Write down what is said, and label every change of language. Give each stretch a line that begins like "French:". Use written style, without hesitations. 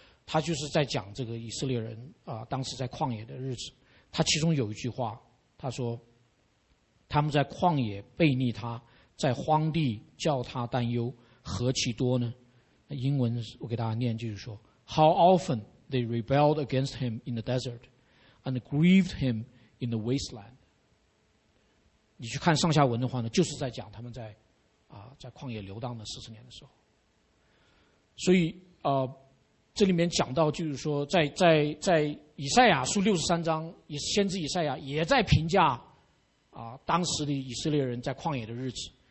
Chinese: 他就是在讲这个以色列人当时在旷野的日子。他其中有一句话，他说，他们在旷野背逆他，在荒地叫他担忧，何其多呢？那英文我给大家念，就是说
English: How often。 They rebelled against him in the desert and grieved him in the wasteland.
Chinese: 你去看上下文的话呢，就是在讲他们在旷野流荡的40年的时候。所以这里面讲到，就是说在以赛亚书63章，先知以赛亚也在评价当时的以色列人在旷野的日子。